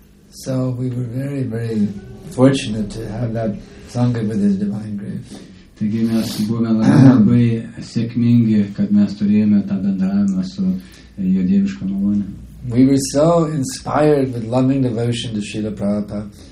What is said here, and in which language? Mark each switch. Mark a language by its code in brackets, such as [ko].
[en] So we were very, very fortunate to have that sangha with His divine grace. [lt] Taigi mes buvome labai sėkmingi, kad mes turėjome tą bendravimą su Jo dieviška malone. [en] We were so inspired with loving devotion to Srila Prabhupada.